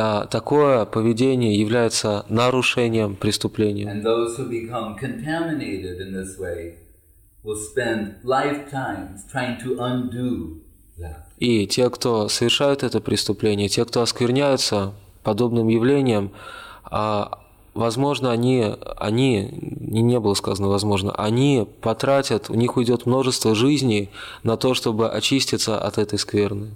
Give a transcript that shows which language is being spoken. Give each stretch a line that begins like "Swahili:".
Russian: Такое поведение является нарушением преступления.
English: And those who become contaminated in this way will spend lifetimes trying to undo that.
Russian: И те, кто совершают это преступление, те, кто оскверняются подобным явлением, возможно, они потратят, у них уйдет множество жизней на то, чтобы очиститься от этой скверны.